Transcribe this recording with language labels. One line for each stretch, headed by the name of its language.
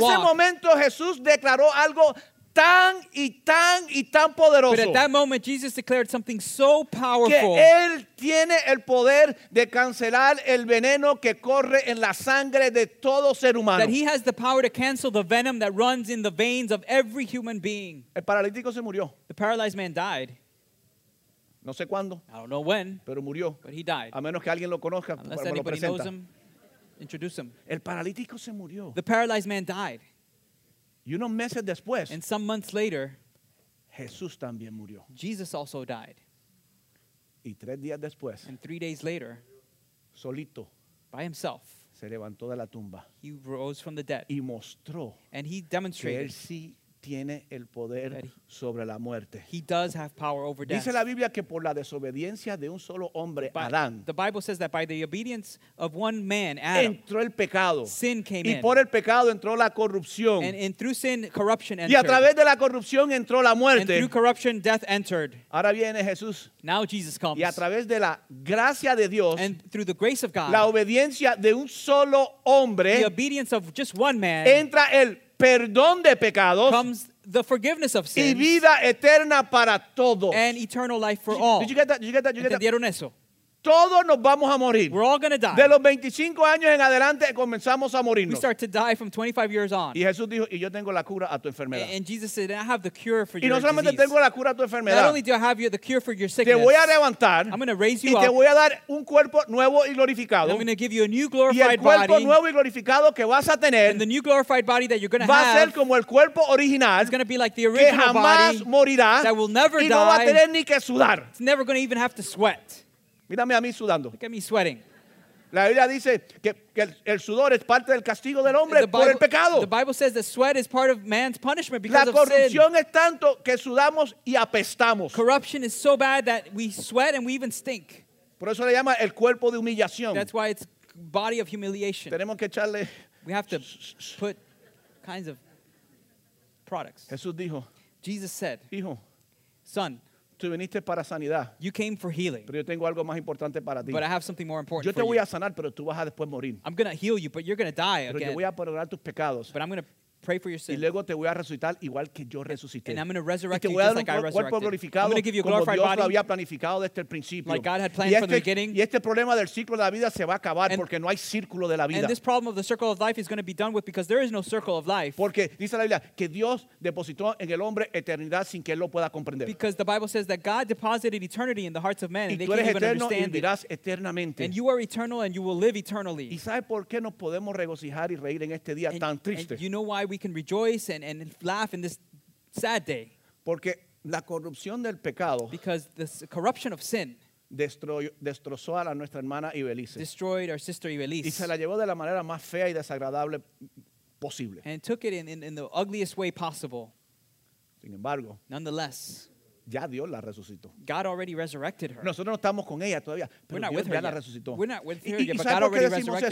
Spanish: Pero en ese momento Jesús declaró algo tan y tan y tan poderoso.
English: But at that moment Jesus declared something so powerful.
Spanish: Que él tiene el poder de cancelar el veneno que corre en la sangre de todo ser humano.
English: That he has the power to cancel the venom that runs in the veins of every human being.
Spanish: El paralítico se murió.
English: The paralyzed man died.
Spanish: No sé cuándo.
English: I don't know when.
Spanish: Pero murió.
English: But he died.
Spanish: A menos que alguien lo conozca.
English: Unless anybody knows him, introduce him.
Spanish: El paralítico se murió.
English: The paralyzed man died.
Spanish: Y unos meses después.
English: And some months later.
Spanish: Jesús también murió.
English: Jesus also died.
Spanish: Y tres días después.
English: And 3 days later.
Spanish: Solito.
English: By himself.
Spanish: Se levantó de la tumba.
English: He rose from the dead.
Spanish: Y mostró.
English: And he demonstrated.
Spanish: Que él sí tiene el poder sobre la muerte.
English: He does have power over death.
Spanish: Dice la Biblia que por la desobediencia de un solo hombre, Adán.
English: The Bible says that by the obedience of one man, Adam.
Spanish: Entró el pecado.
English: Sin came
Spanish: y
English: in.
Spanish: Y por el pecado entró la corrupción.
English: And through sin, corruption entered.
Spanish: Y a través de la corrupción entró la muerte.
English: And through corruption, death entered.
Spanish: Ahora viene Jesús.
English: Now Jesus comes.
Spanish: Y a través de la gracia de Dios.
English: And through the grace of God.
Spanish: La obediencia de un solo hombre.
English: The obedience of just one man.
Spanish: Entra el perdón de pecados
English: comes the forgiveness of sins
Spanish: y vida eterna para todos
English: and eternal life for all. Did you get that? Did you get that?
Spanish: ¿Entendieron eso? Todos nos vamos a morir.
English: We're all going to die.
Spanish: De los 25 años en adelante comenzamos a morirnos.
English: We start to die from 25 years on.
Spanish: Y Jesús dijo, y yo tengo la cura a tu enfermedad.
English: And Jesus said, I have the cure for
Spanish: y
English: your disease.
Spanish: Y no solamente tengo la cura a tu enfermedad.
English: Not only do I have the cure for your sickness.
Spanish: Te voy a levantar.
English: I'm going to raise you
Spanish: y
English: up.
Spanish: Y te voy a dar un cuerpo nuevo y glorificado.
English: And I'm going to give you a new glorified body.
Spanish: Y el cuerpo
English: body,
Spanish: nuevo y glorificado que vas a tener.
English: And the new glorified body that you're going to
Spanish: va
English: have.
Spanish: Va a ser como el cuerpo original.
English: It's going to be like the original
Spanish: que jamás
English: body.
Spanish: Morirá.
English: That will never
Spanish: y Y no va a tener ni que sudar.
English: It's never going to even have to sweat.
Spanish: Mírame a mí sudando.
English: Look at me sweating.
Spanish: La Biblia dice que el sudor es parte del castigo del hombre
English: Bible,
Spanish: por el pecado.
English: The Bible says the sweat is part of man's punishment because of sin.
Spanish: La corrupción es tanto que sudamos y apestamos.
English: Corruption is so bad that we sweat and we even stink.
Spanish: Por eso le llama el cuerpo de humillación.
English: That's why it's body of humiliation.
Spanish: Tenemos que echarle
English: we have to put kinds of products.
Spanish: Jesús dijo,
English: Jesus said,
Spanish: hijo,
English: son,
Spanish: tú viniste para sanidad.
English: You came for healing.
Spanish: Pero yo tengo algo más importante para ti.
English: But I have something more important
Spanish: yo te
English: for
Spanish: voy
English: you.
Spanish: A sanar, pero tú vas a después morir.
English: I'm going to heal you, but you're going to die
Spanish: pero
English: again.
Spanish: Yo voy a perdonar tus pecados.
English: But I'm going to pray for your sins.
Spanish: Y luego te voy a resucitar igual que yo resucité.
English: And I'm going to resurrect you just like I resurrected.
Spanish: Cuerpo glorificado,
English: I'm going to give you a glorified body.
Spanish: Como Dios lo había planificado desde el principio.
English: Like God had planned from the beginning.
Spanish: Y este problema del ciclo de la vida se va a acabar porque no hay círculo de la vida.
English: And this problem of the circle of life is going to be done with because there is no circle of life.
Spanish: Porque dice la Biblia que Dios depositó en el hombre eternidad sin que él lo pueda comprender.
English: Because the Bible says that God deposited eternity in the hearts of men and they can't even understand it.
Spanish: Y vivirás eternamente.
English: And you are eternal and you will live eternally.
Spanish: ¿Y sabes por qué nos podemos regocijar y reír en este día tan triste?
English: And you know why we can rejoice and laugh in this sad day?
Spanish: Porque la corrupción del pecado,
English: because the corruption of sin,
Spanish: destrozó a nuestra hermana Ibelice.
English: Destroyed our sister Ibelice.
Spanish: Y se la llevó de la manera más fea y desagradable posible.
English: And took it in the ugliest way possible.
Spanish: Sin embargo,
English: nonetheless,
Spanish: ya Dios la resucitó.
English: God already resurrected her.
Spanish: Nosotros no estamos con ella todavía, pero
English: we're not
Spanish: Dios
English: with her
Spanish: ya
English: yet.
Spanish: La resucitó.
English: We're not with her yet, but God already resurrected